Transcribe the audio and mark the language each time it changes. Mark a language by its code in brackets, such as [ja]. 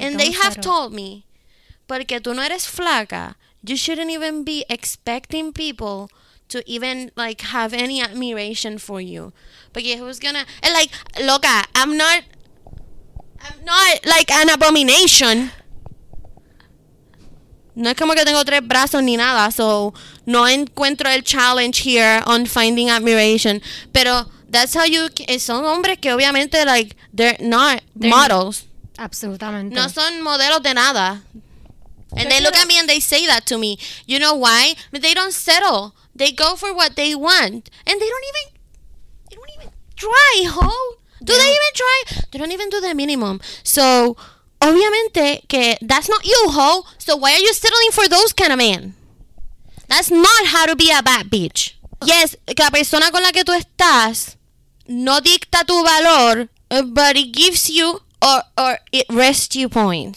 [en] and they have told me, porque tú no eres flaca, you shouldn't even be expecting people to even, like, have any admiration for you. Porque who's gonna... And, like, loca, I'm not, like, an abomination. [es] No es como que tengo tres brazos ni nada, so no encuentro el challenge here on finding admiration. [en] Pero... That's how you... Son hombres que obviamente, like, they're not models. [es] Absolutamente. No son modelos de nada. [en] And they look at me and they say that to me. You know why? But they don't settle. They go for what they want. And they don't even try, ho. Do they even try? They don't even do the minimum. So, obviamente, que that's not you, ho. So why are you settling for those kind of men? That's not how to be a bad bitch. [es] Yes, que la persona con la que tú estás... [en] No dicta tu valor, but it gives you or it rests you points.